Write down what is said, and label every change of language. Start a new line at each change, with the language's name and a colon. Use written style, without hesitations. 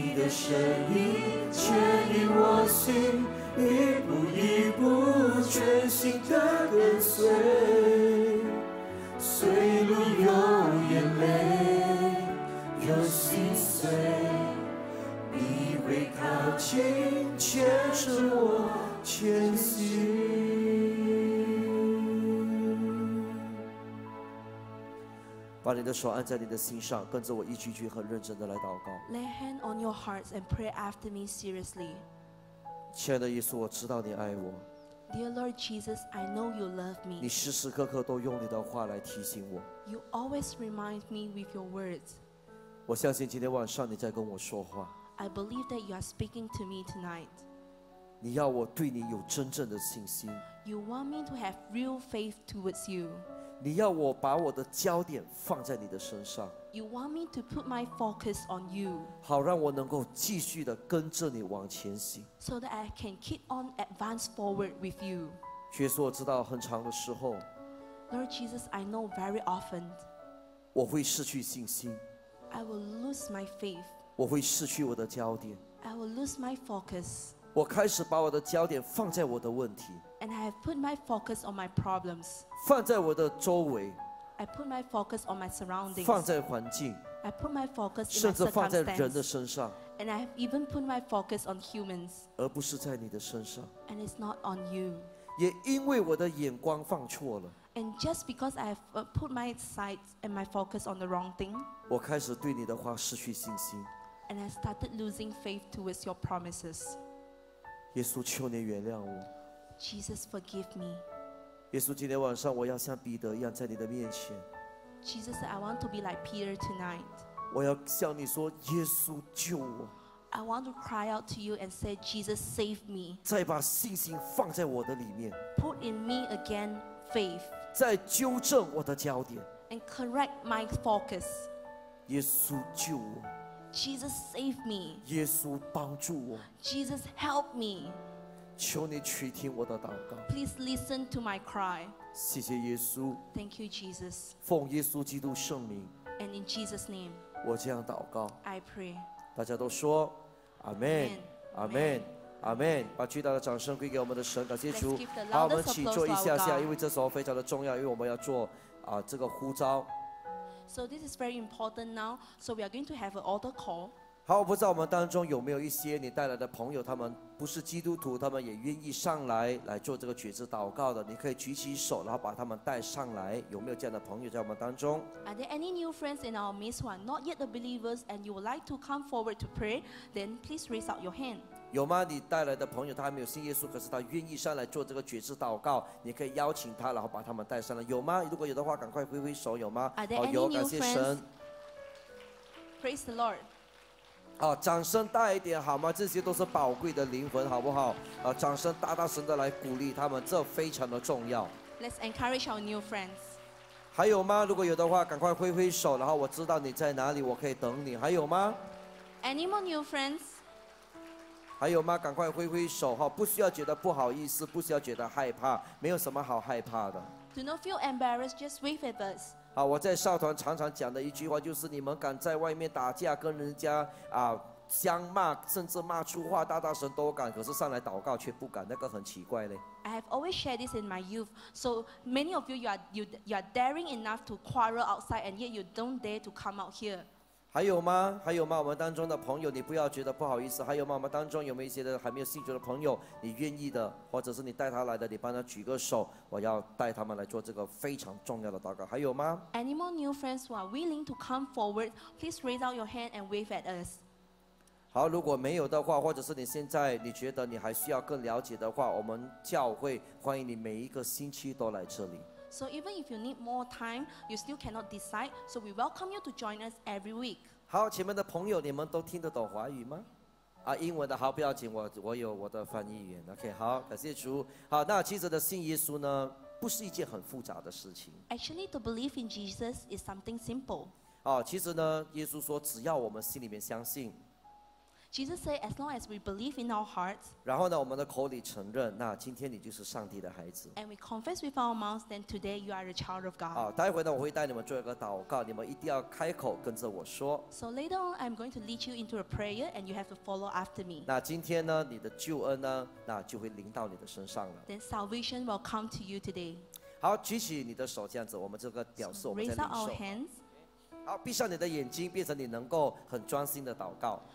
Chinese: 声音牵引我心，一步一步全心的跟随，虽路有眼泪有心碎，你会靠近牵着我前行。把你的手按在你的心上，跟着我一句句很认真的来祷告。
English: Lay hand on your hearts and pray after me seriously.
Chinese: 亲爱的耶稣，我知道你爱我。
English: Dear Lord Jesus, I know you love me.
Chinese: 你时时刻刻都用你的话来提醒我。
English: You always remind me with your words.
Chinese: 我相信今天晚上你在跟我说话。
English: I believe that you are speaking to me tonight.
Chinese: 你要我对你有真正的信心。
English: You want me to have real faith towards you.
Chinese: 你要我把我的焦点放在你的身上。
English: You want me to put my focus on you.
Chinese: 好让我能够继续的跟着你往前行。
English: So that I can keep on advance forward with you.
Chinese: 耶稣，我知道很长的时候。
English: Lord Jesus, I know very often.
Chinese: 我会失去信心。
English: I will lose my faith.
Chinese: 我会失去我的焦点。
English: I will lose my focus.
Chinese: 我开始把我的焦点放在我的问题。
English: And I have put my focus on my problems.
Chinese: 放在我的周围。
English: I put my focus on my surroundings.
Chinese: 放在环境。
English: I put my focus in my circumstances.
Chinese: 甚至放在人的身上。
English: And I have even put my focus on humans.
Chinese: 而不是在你的身上。
English: And it's not on you.
Chinese: 也因为我的眼光放错了。
English: And just because I have put my sight and my focus on the wrong thing.
Chinese: 我开始对你的话失去信心。
English: And I started losing faith towards your promises.
Chinese: 耶稣，求你原谅我。
English: Jesus, forgive me.
Chinese: 耶稣，今天晚上我要像彼得一样在你的面前。
English: Jesus, I want to be like Peter tonight.
Chinese: 我要向你说，耶稣救我。
English: I want to cry out to you and say, Jesus, save me.
Chinese: 再把信心放在我的里面。
English: Put in me again faith.
Chinese: 再纠正我的焦点。
English: And correct my focus.
Chinese: 耶稣救我。
English: Jesus, save me.
Chinese: 耶稣帮助我。
English: Jesus, help me.
Chinese: 求你垂听我的祷告。
English: Please listen to my cry.
Chinese: 谢谢耶稣。
English: Thank you, Jesus.
Chinese: 奉耶稣基督圣名。
English: And in Jesus' name.
Chinese: 我这样祷告。
English: I pray.
Chinese: 大家都说，阿门，阿门，阿门。把巨大的掌声归给我们的神，感谢主。好，我们请坐一下下，因为这时候非常的重要，因为我们要做啊这个呼召。
English: So this is very important now. So we are going to have an altar call.
Chinese: 好，我不知道我们当中有没有一些你带来的朋友，他们不是基督徒，他们也愿意上来来做这个决志祷告的，你可以举起手然后把他们带上来，有没有这样的朋友在我们当中？
English: Are there any new friends in our midst who are not yet the believers and you would like to come forward to pray? Then please raise out your hand.
Chinese: 有吗？你带来的朋友他还没有信耶稣，可是他愿意上来做这个决志祷告，你可以邀请他然后把他们带上来，有吗？如果有的话赶快挥挥手，有吗？
English: Are there any new friends?
Chinese: 感谢神。
English: Praise the Lord.
Chinese: 啊，掌声大一点好吗？这些都是宝贵的灵魂，好不好？啊，掌声大大声的来鼓励他们，这非常的重要。
English: Let's encourage our new friends.
Chinese: 还有吗？如果有的话，赶快挥挥手，然后我知道你在哪里，我可以等你。还有吗
English: ？Any more new friends?
Chinese: 还有吗？赶快挥挥手哈，不需要觉得不好意思，不需要觉得害怕，没有什么好害怕的。
English: Do not feel embarrassed, just wave at us.
Chinese: 啊、我在少团常常讲的一句话就是，你们敢在外面打架跟人家、相骂，甚至骂粗话大大声都敢，可是上来祷告却不敢，那个很奇怪咧。
English: I have always shared this in my youth. So many of you are daring enough to quarrel outside and yet you don't dare to come out here.
Chinese: 还有吗？还有吗？我们当中的朋友你不要觉得不好意思，还有吗？我们当中有没有一些的还没有信主的朋友，你愿意的或者是你带他来的，你帮他举个手，我要带他们来做这个非常重要的祷告，还有吗？
English: Any more new friends who are willing to come forward, please raise out your hand and wave at us.
Chinese: 好，如果没有的话，或者是你现在你觉得你还需要更了解的话，我们教会欢迎你每一个星期都来这里。
English: So even if you need more time, you still cannot decide. So we welcome you to join us every week.
Chinese: 好，前面的朋友，你们都听得懂华语吗？啊，英文的好不要紧，我有我的翻译员。 OK， 好，感谢主。好，那其实的信耶稣呢，不是一件很复杂的事情。
English: Actually, to believe in Jesus is something simple.
Chinese: 哦，其实呢，耶稣说，只要我们心里面相信。
English: Jesus said, as long as we believe in our hearts,
Chinese: 然后呢，我们的口里承认，那今天你就是上帝的孩子。
English: And we confess with our mouths, then today you are a child of God.
Chinese: 好，待会呢，我会带你们做一个祷告，你们一定要开口跟着我说。
English: So later on, I'm going to lead you into a prayer, and you have to follow after me.
Chinese: 那今天呢，你的救恩呢，那就会临到你的身上了。
English: Then salvation will come to you today.
Chinese: 好，举起你的手，这样子，我们这个表示我们在领受。
English: Raise our hands.
Chinese: 好，闭上你的眼睛，变成你能够很专心的祷告。